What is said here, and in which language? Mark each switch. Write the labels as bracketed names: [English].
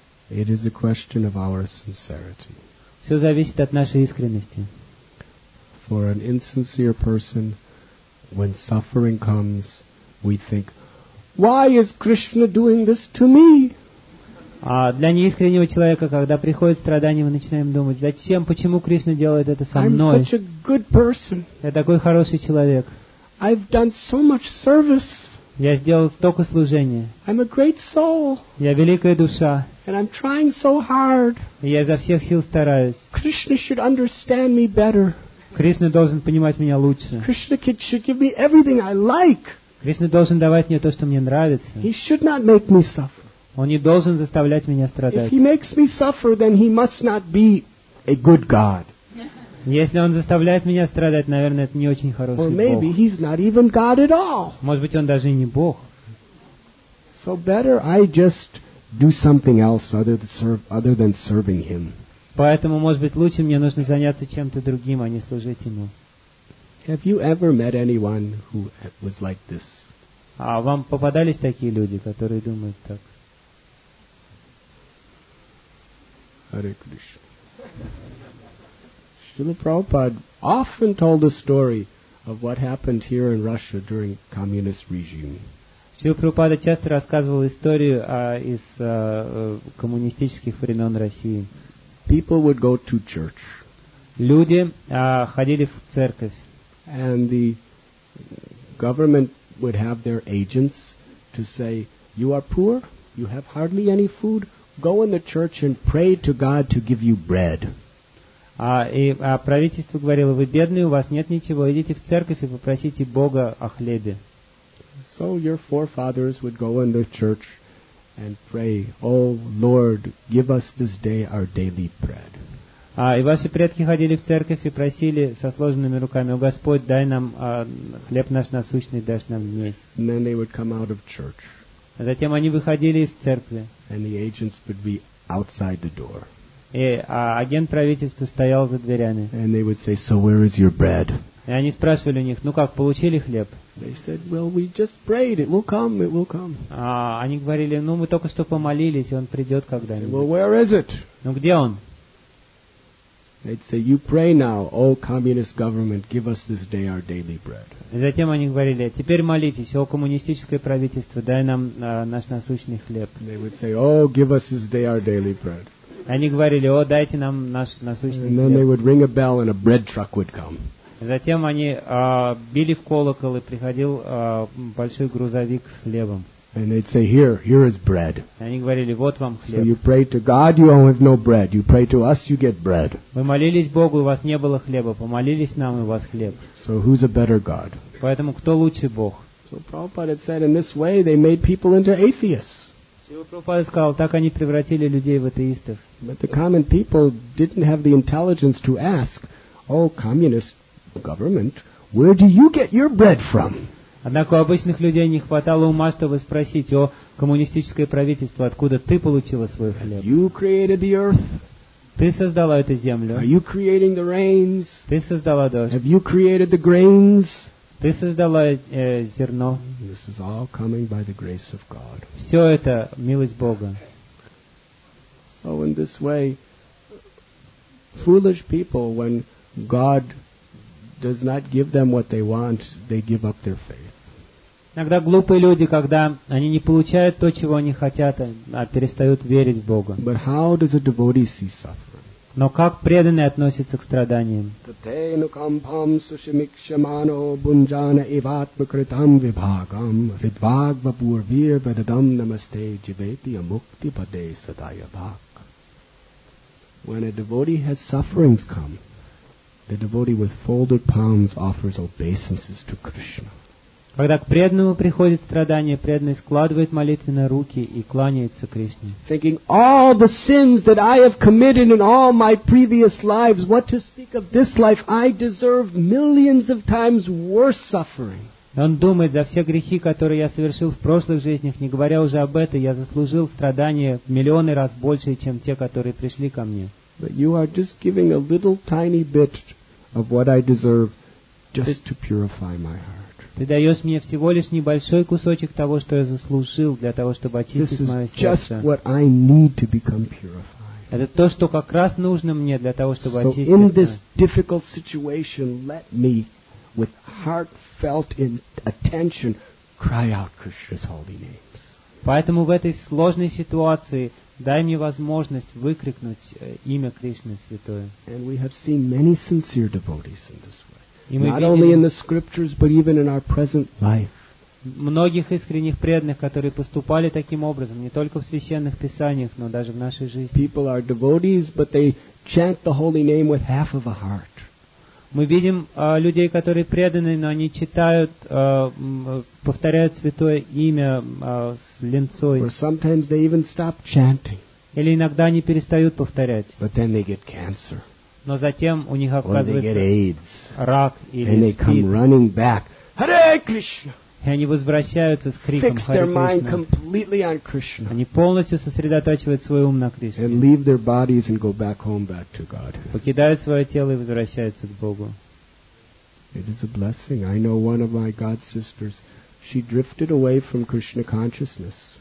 [English] It is a question of our sincerity. [Russian] Все зависит от нашей искренности. [English] For an insincere person, when suffering comes, we think, why is Krishna doing this to me? [Russian] А для неискреннего человека, когда приходит страдание, мы начинаем думать, зачем, почему Кришна делает это со мной? [English] I'm such a good person. [Russian] Я такой хороший человек. [English] I've done so much service. [Russian] Я сделал столько служения. [English] I'm a great soul. [Russian] Я великая душа. [English] And I'm trying so hard. [Russian] И я изо всех сил стараюсь. [English] Krishna should understand me better. [Russian] Кришна должен понимать меня лучше. [English] Krishna should give me everything I like. [Russian] Кришна должен давать мне то, что мне нравится. [English] He should not make me suffer. [Russian] Он не должен заставлять меня страдать. [English] If he makes me suffer, then he must not be a good God. [Russian] Если он заставляет меня страдать, наверное, это не очень хороший [English] Бог. Or maybe he's not even God at all. [Russian] Может быть, он даже не Бог. [English] So better I just do something else other than serving him. [Russian] Поэтому, может быть, лучше мне нужно заняться чем-то другим, а не служить ему. [English] Have you ever met anyone who was like this? [Russian] А вам попадались такие люди, которые думают так? [Sanskrit] Hare Krishna. [English] Srila Prabhupada often told the story of what happened here in Russia during communist regime. [Russian] Srila Prabhupada часто рассказывал историю из коммунистических времен России. [English] People would go to church. [Russian] Люди ходили в церковь. [English] And the government would have their agents to say, "You are poor. You have hardly any food. Go in the church and pray to God to give you bread." [Russian] И правительство говорило: "Вы бедные, у вас нет ничего. Идите в церковь и попросите Бога о хлебе." [English] So your forefathers would go in the church and pray, "Oh Lord, give us this day our daily bread." [Russian] И ваши предки ходили в церковь и просили со сложенными руками: "О Господь, дай нам хлеб наш насущный, дашь нам есть." [English] And then they would come out of church. [Russian] Затем они выходили из церкви. [English] And the agents would be outside the door. [Russian] И агент правительства стоял за дверями. [English] And they would say, "So where is your bread?" [Russian] И они спрашивали у них: "Ну как, получили хлеб?" [English] They said, "Well, we just prayed. It will come. It will come." [Russian] Они говорили: "Ну мы только что помолились, и он придет когда-нибудь." [English] Well, where is it? [Russian] Ну где он? [English] They'd say, "You pray now, O communist government, give us this day our daily bread." [Russian] И затем они говорили: "Теперь молитесь, о коммунистическое правительство, дай нам наш насущный хлеб." [English] They would say, "Oh, give us this day our daily bread." [Russian] Они говорили: "О, дайте нам наш насущный хлеб." [English] And then they would ring a bell, and a bread truck would come. [Russian] Затем они били в колокол, и приходил большой грузовик с хлебом. [English] And they'd say, "Here is bread." [Russian] Они говорили: "Вот вам хлеб." [English] So you pray to God, you have no bread. You pray to us, you get bread. [Russian] Вы молились Богу, у вас не было хлеба. Помолились нам, и у вас хлеб. [English] So who's a better God? [Russian] Поэтому кто лучше Бог? [English] So Prabhupada said, in this way, they made people into atheists. [Russian] Прабхупада сказал: так они превратили людей в атеистов. [English] But the common people didn't have the intelligence to ask, "Oh, communist government, where do you get your bread from?" [Russian] Однако у обычных людей не хватало ума, чтобы спросить: "О, коммунистическое правительство, откуда ты получила свой хлеб?" [English] You created the earth. [Russian] Ты создала эту землю. [English] Are you creating the rains? [Russian] Ты создала дождь. [English] Have you created the grains? [Russian] Ты создала зерно. [English] This is all coming by the grace of God. [Russian] Все это милость Бога. [English] So in this way, foolish people, when God does not give them what they want, they give up their faith. [Russian] Иногда глупые люди, когда они не получают то, чего они хотят, а перестают верить в Бога. [English] But how does a devotee see suffering? [Russian] Но как преданный относится к страданиям? [Sanskrit] Tatenu kampam sushimikshamano bunjana evatmakritam vibhagam ridvagva purvir vedadam namaste jiveti amukti pade sadaya bhak. [English] When a devotee has sufferings come, the devotee with folded palms offers obeisances to Krishna. [Russian] Когда к преданному приходит страдание, преданный складывает молитвенные руки и кланяется Кришне. [English] Thinking all the sins that I have committed in all my previous lives, what to speak of this life, I deserve millions of times worse suffering. [Russian] Он думает: за все грехи, которые я совершил в прошлых жизнях, не говоря уже об этом, я заслужил страдания в миллионы раз больше, чем те, которые пришли ко мне. [English] But you are just giving a little tiny bit of what I deserve just to purify my heart. [Russian] Ты даешь мне всего лишь небольшой кусочек того, что я заслужил, для того, чтобы очистить мое сердце. [English] This is just what I need to become purified. [Russian] Это то, что как раз нужно мне для того, чтобы очистить. [English] So in this difficult situation, let me, with heartfelt attention, cry out Krishna's holy names. [Russian] Поэтому в этой сложной ситуации дай мне возможность выкрикнуть имя Кришны Святое. [English] And we have seen many sincere devotees in this way. Not only in the scriptures, but even in our present life. [Russian] Многих искренних преданных, которые поступали таким образом, не только в священных писаниях, но даже в нашей жизни. [English] People are devotees, but they chant the holy name with half of a heart. [Russian] Мы видим людей, которые преданы, но они читают, повторяют святое имя с линцой. [English] Or sometimes they even stop chanting. [Russian] Или иногда они перестают повторять. [English] But then they get cancer. [Russian] Но затем у них оказывается [English] Or they get AIDS. [Russian] Рак или СПИД. [English] And they come running back. [Sanskrit] Hare Krishna! [Russian] И они возвращаются с криком [English] Fix their mind [Sanskrit] Hare [English] completely on Krishna. [Russian] Они полностью сосредотачивают свой ум на Кришне. [English] And leave their bodies and go back home, back to God. [Russian] Покидают свое тело и возвращаются к Богу. [English] It is a blessing. I know one of my God sisters. She drifted away from Krishna consciousness.